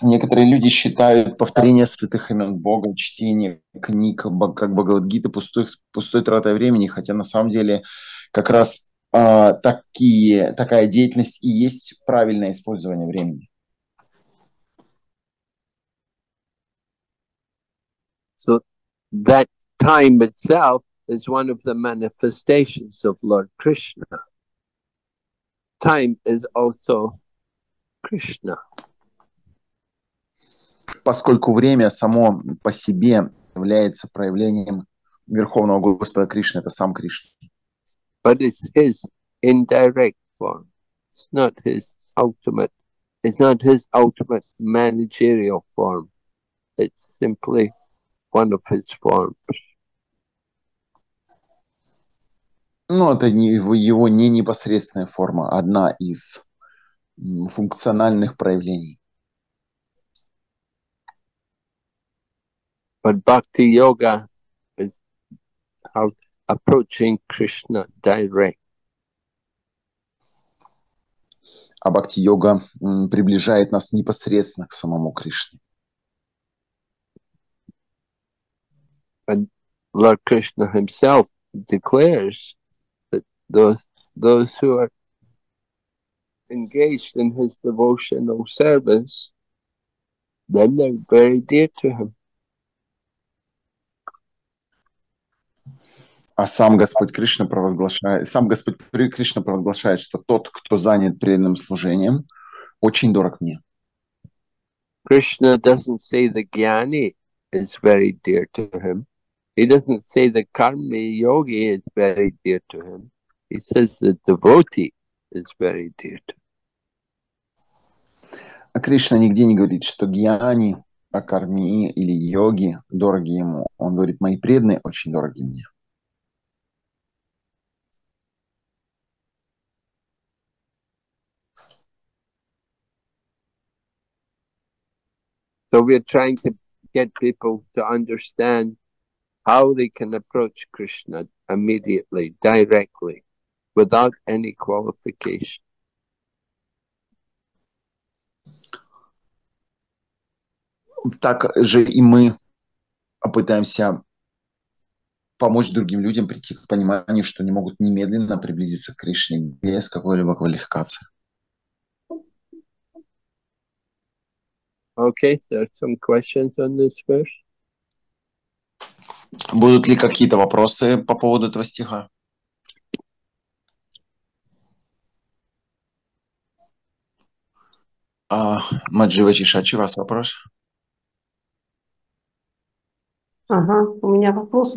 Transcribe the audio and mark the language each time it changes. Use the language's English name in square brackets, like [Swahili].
[Russian] Некоторые люди считают повторение святых имен Бога, чтение книг, как Бхагавадгиты, пустой тратой времени, хотя на самом деле как раз такая деятельность и есть правильное использование времени. [English] So that time itself is one of the manifestations of Lord Krishna. Time is also Krishna. [Russian] Поскольку время само по себе является проявлением Верховного Господа Кришны, это сам Кришна. [English] But it's his indirect form. It's not his ultimate. It's not his ultimate managerial form. It's simply one of his forms. [Russian] Ну, это не его не непосредственная форма, одна из функциональных проявлений. [English] But bhakti yoga is how approaching Krishna direct. [Russian] А бхакти йога приближает нас непосредственно к самому Кришне. [English] And Lord Krishna himself declares that those who are engaged in his devotional service, then they're very dear to him. [Russian] А сам Господь Кришна провозглашает, что тот, кто занят преданным служением, очень дорог мне. [English] Krishna doesn't say the jnani is very dear to him. He doesn't say the karmi yogi is very dear to him. He says the devotee is very dear to him. [Russian] А Кришна нигде не говорит, что гьяни, а карми или йоги дороги ему. Он говорит, мои преданные очень дороги мне. [English] So we're trying to get people to understand how they can approach Krishna immediately, directly, without any qualification. [Russian] Так же и мы пытаемся помочь другим людям прийти к пониманию, что они могут немедленно приблизиться к Кришне без какой-либо квалификации. [English] Okay, there are some questions on this verse. [Russian] Будут ли какие-то вопросы по поводу этого стиха? Маджива Чишачи, у вас вопрос? Ага, у меня вопрос.